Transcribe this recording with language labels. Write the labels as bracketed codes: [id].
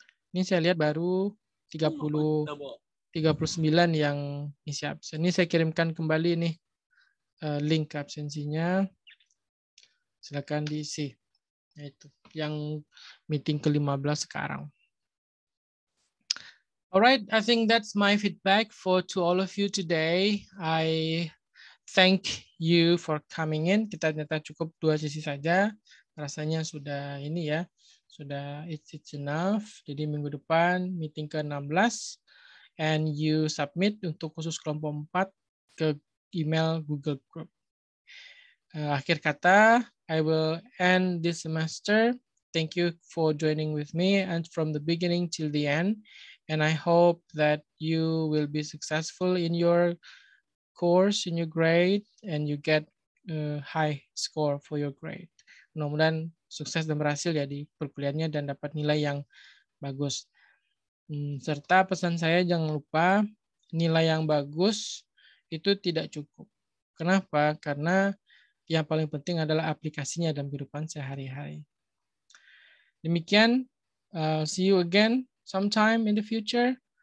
[id] Ini saya lihat baru 39 yang isi absen. Ini saya kirimkan kembali nih link absensinya. Silakan diisi. Nah, itu yang meeting ke-15 sekarang. [en] Alright, I think that's my feedback to all of you today. I thank you for coming in. [id] Kita ternyata cukup dua sesi saja. Rasanya sudah ini ya, sudah [en] it's enough. [id] Jadi minggu depan meeting ke-16 [en] and you submit [id] untuk khusus kelompok 4 ke email Google Group. Akhir kata, [en] I will end this semester. Thank you for joining with me and from the beginning till the end. And I hope that you will be successful in your course, in your grade, and you get a high score for your grade. [id] Mudah-mudahan sukses dan berhasil ya di perkuliahannya dan dapat nilai yang bagus. Serta pesan saya, jangan lupa nilai yang bagus itu tidak cukup. Kenapa? Karena yang paling penting adalah aplikasinya dalam kehidupan sehari-hari. [en] Demikian, see you again sometime in the future.